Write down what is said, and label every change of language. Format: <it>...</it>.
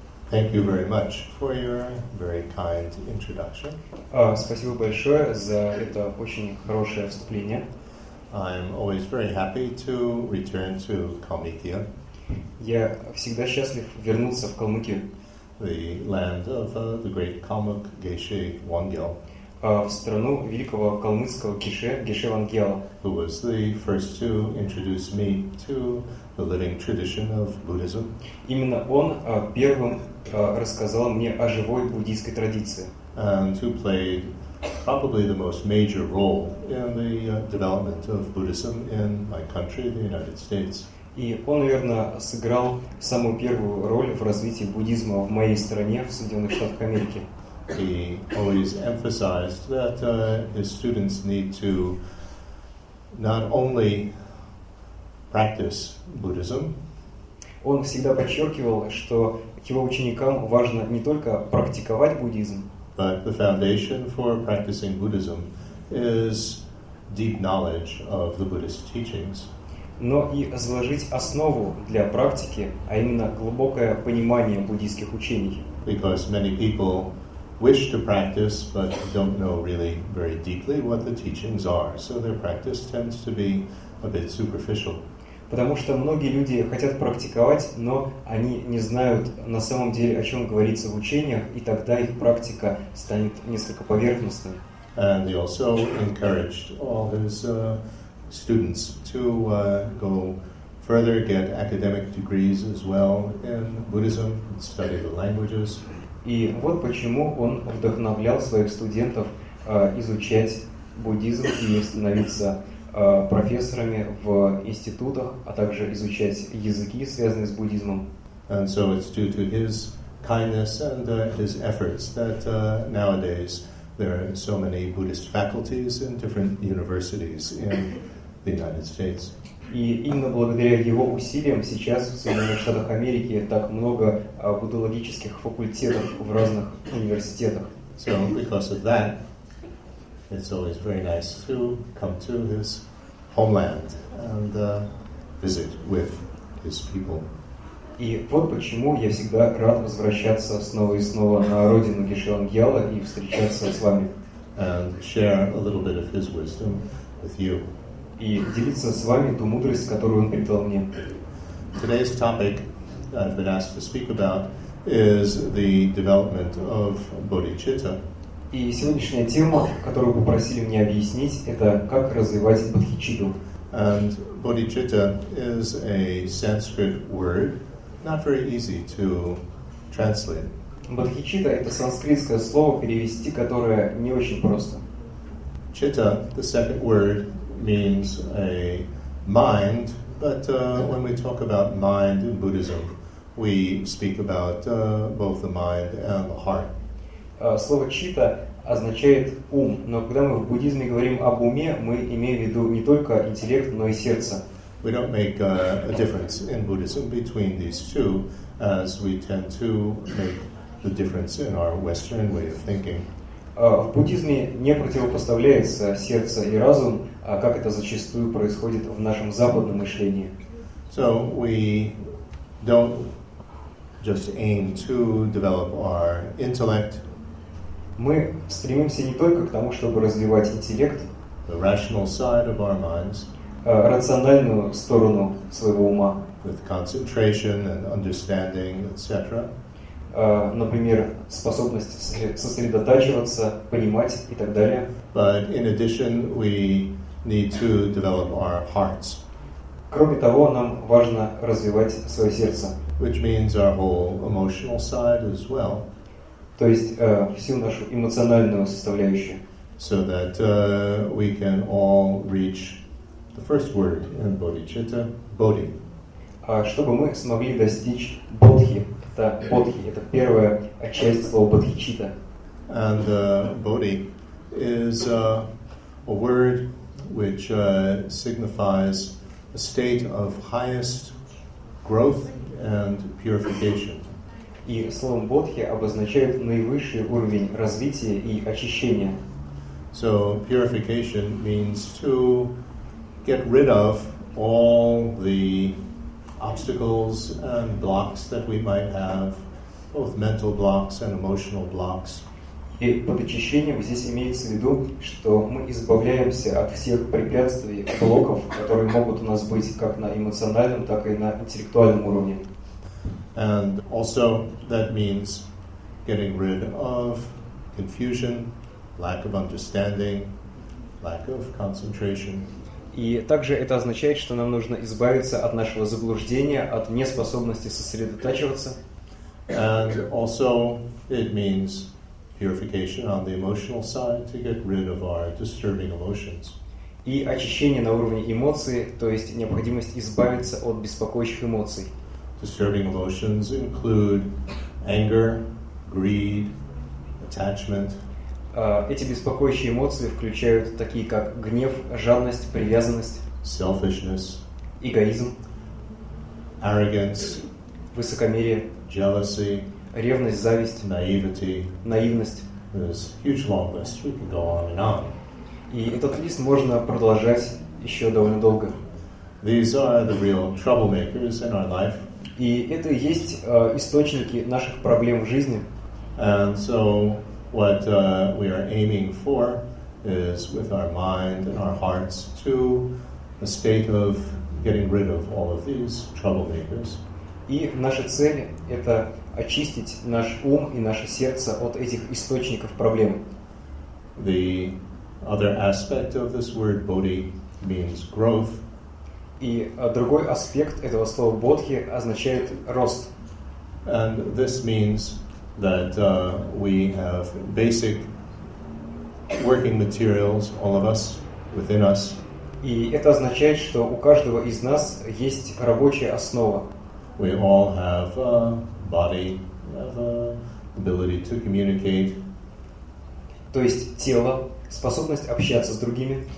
<en>Thank you very much for your very kind introduction.</en> <ru>Спасибо большое за это очень хорошее вступление.</ru> <en>I'm always very happy to return to Kalmykia.</en> <ru>Я всегда счастлив вернуться в Калмыкию.</ru> <en>The land of the great Kalmyk Geshe Wangyal.</en> <ru>В страну великого калмыцкого Геше Вангела.</ru> <en>Who was the first to introduce me to the living tradition of Buddhism?</en> <ru>Именно он первым рассказал мне о живой буддийской традиции.</ru> <en>And who played probably the most major role in the development of Buddhism in my country, the United States.</en> <ru>И он, наверное, сыграл самую первую роль в развитии буддизма в моей стране, в Соединенных Штатах Америки.</ru> <en>He always emphasized that his students need to not only practice Buddhism.</en> <ru>Он всегда подчеркивал, что его ученикам важно не только практиковать буддизм.</ru> <en>But the foundation for practicing Buddhism is deep knowledge of the Buddhist teachings.</en> <ru>Но и заложить основу для практики, а именно глубокое понимание буддийских учений.</ru> <en>Because many people wish to practice, but don't know really very deeply what the teachings are, so their practice tends to be a bit superficial.</en> <ru>Потому что многие люди хотят практиковать, но они не знают на самом деле, о чем говорится в учениях, и тогда их практика станет несколько поверхностной.</ru> <en>And he also encouraged all his students to go further, get academic degrees as well in Buddhism, and study the languages.</en> <ru>И вот почему он вдохновлял своих студентов изучать буддизм и становиться профессорами в институтах, а также изучать языки, связанные с буддизмом.</ru> <en>And so it's due to his kindness and his efforts that nowadays there are so many Buddhist faculties in different universities in the United States.</en> <ru>И именно благодаря его усилиям сейчас в Соединенных Штатах Америки так много буддологических факультетов в разных университетах.</ru> <en>So, because of that, it's always very nice to come to his homeland and visit with his people.</en> <ru>И вот почему я всегда рад возвращаться снова и снова на родину Геше Вангьяла и встречаться с вами.</ru> <en>And share a little bit of his wisdom with you.</en> <ru>И делиться с вами ту мудрость, которую он передал мне.</ru> <en>Today's topic I've been asked to speak about is the development of bodhicitta.</en> <ru>И сегодняшняя тема, которую попросили меня объяснить, это как развивать бодхичитту.</ru> <en>And bodhicitta is a Sanskrit word, not very easy to translate.</en> <ru>Бодхичитта — это санскритское слово, перевести которое не очень просто.</ru> <en>Chitta, the second word, means a mind, but when we talk about mind in Buddhism, we speak about both the mind and the heart.</en> <ru>Слово чита означает ум, но когда мы в буддизме говорим об уме, мы имеем в виду не только интеллект, но и сердце.</ru> <en>We don't make a difference in Buddhism between these two, as we tend to make the difference in our Western way of thinking.</en> <ru>В буддизме не противопоставляется сердце и разум, а как это зачастую происходит в нашем западном мышлении.</ru> <en>So we don't just aim to develop our intellect.</en> <ru>Мы стремимся не только к тому, чтобы развивать интеллект,</ru> <en>the rational side of our minds,</en> <ru>рациональную сторону своего ума,</ru> <en>with concentration and understanding, etc.</en> <ru>Например, способность сосредотачиваться, понимать и так далее.</ru> <en>But in addition, we need to develop our hearts.</en> <ru>Кроме того, нам важно развивать свое сердце.</ru> <en>Which means our whole emotional side as well.</en> <ru>То есть всю нашу эмоциональную составляющую.</ru> <en>So that we can all reach the first word in bodhicitta, bodhi.</en> <ru>Чтобы мы смогли достичь бодхи. Это бодхи, это первая часть слова бодхичитта.</ru> <en>And bodhi is a word which signifies a state of highest growth and purification.</en> <ru>И словом бодхи обозначает наивысший уровень развития и очищения.</ru> <en>So purification means to get rid of all the obstacles and blocks that we might have both mental blocks and emotional blocks.</en> <ru>И под очищением здесь имеется в виду, что мы избавляемся от всех препятствий, блоков, которые могут у нас быть как на эмоциональном, так и на интеллектуальном уровне.</ru> <en>And also that means getting rid of confusion, lack of understanding, lack of concentration.</en> <ru>И также это означает, что нам нужно избавиться от нашего заблуждения, от неспособности сосредотачиваться.</ru> <en>And also it means purification on the emotional side to get rid of our disturbing emotions.</en> <ru>И очищение на уровне эмоций, то есть необходимость избавиться от беспокоящих эмоций.</ru> <en>Disturbing emotions include anger, greed, attachment.</en> <ru>Эти беспокоящие эмоции включают такие как гнев, жадность, привязанность,</ru> <en>selfishness,</en> <ru>эгоизм,</ru> <en>arrogance,</en> <ru>высокомерие,</ru> <en>jealousy,</en> <ru>ревность, зависть,</ru> <en>naivety,</en> <ru>наивность.</ru> <en>There's a huge long list. We can go on and on.</en> <ru>И этот лист можно продолжать еще довольно долго.</ru> <en>These are the real troublemakers in our life.</en> <ru>И это и есть источники наших проблем в жизни.</ru> <en>And so what we are aiming for is with our mind and our hearts to a state of getting rid of all of these troublemakers.</en> <ru>И наша цель — это очистить наш ум и наше сердце от этих источников проблем.</ru> <en>The other aspect of this word bodhi means growth.</en> <ru>И другой аспект этого слова бодхи означает рост.</ru> <en>And this means that we have basic working materials, all of us, within us.</en> <ru>И это означает, что у каждого из нас есть рабочая основа.</ru> <en>We all have a body, have a ability to communicate.</en> <ru>То есть тело, способность общаться с другими.</ru>